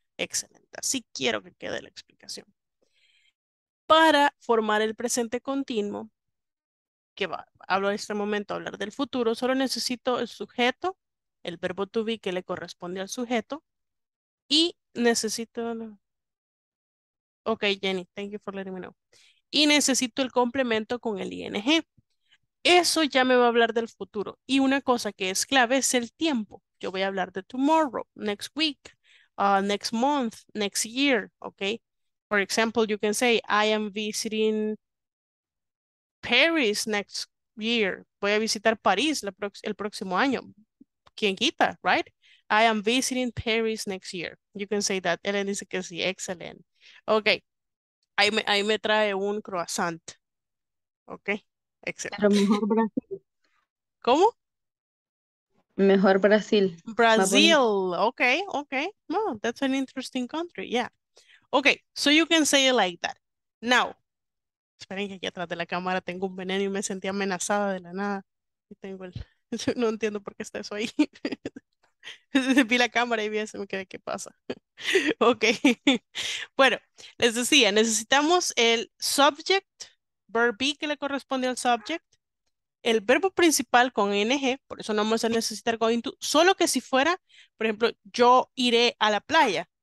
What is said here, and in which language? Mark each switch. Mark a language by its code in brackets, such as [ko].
[es] Excelente, así quiero que quede la explicación. Para formar el presente continuo, que va, hablo en este momento a hablar del futuro, solo necesito el sujeto, el verbo to be que le corresponde al sujeto, y necesito... [en] Ok, Jenny, thank you for letting me know. [es] Y necesito el complemento con el ING. Eso ya me va a hablar del futuro. Y una cosa que es clave es el tiempo. Yo voy a hablar de tomorrow, next week, next month, next year, ok. [en] For example, you can say, I am visiting Paris next year. [es] Voy a visitar París el próximo año. ¿Quién quita, right? [en] I am visiting Paris next year. You can say that. [es] Ellen dice que sí, [en] excellent. [es] Ok, ahí me trae un croissant. Ok, excelente. Pero mejor Brasil. ¿Cómo? Mejor Brasil. [en] Brasil, ok, ok. Well, that's an interesting country, yeah. Okay, so you can say it like that. [es] Now, esperen que aquí atrás de la cámara tengo un veneno y me sentí amenazada de la nada. Y tengo el, no entiendo por qué está eso ahí. Vi la cámara y vi eso, me quedé, ¿qué pasa? Okay. Bueno, les decía, necesitamos el subject, verb be que le corresponde al subject, el verbo principal con ing, por eso no vamos a necesitar going to, solo que si fuera, por ejemplo, yo iré a la playa.